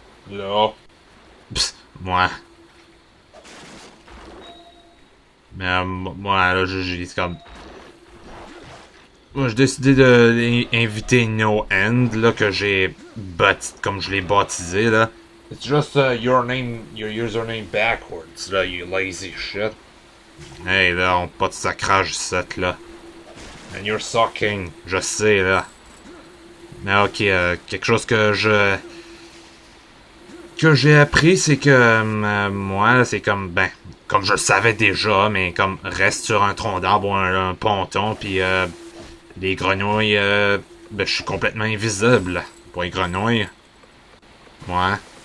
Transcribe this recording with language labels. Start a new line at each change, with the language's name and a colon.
French: Là. Psst, moi. Mais moi, là, j'ai comme... Moi, j'ai décidé d'inviter No End, là, que j'ai baptisé, comme je l'ai baptisé, là.
English: It's just your name, your username backwards, là, you lazy shit.
French: Hey, là, on pas de sacrage, cette, là.
English: And you're sucking.
French: Je sais, là. Mais ok, quelque chose que je... Que j'ai appris, c'est que moi, c'est comme, ben, comme je le savais déjà, mais comme, reste sur un tronc d'arbre ou un ponton, puis les grenouilles, ben, je suis complètement invisible pour les grenouilles. Ouais.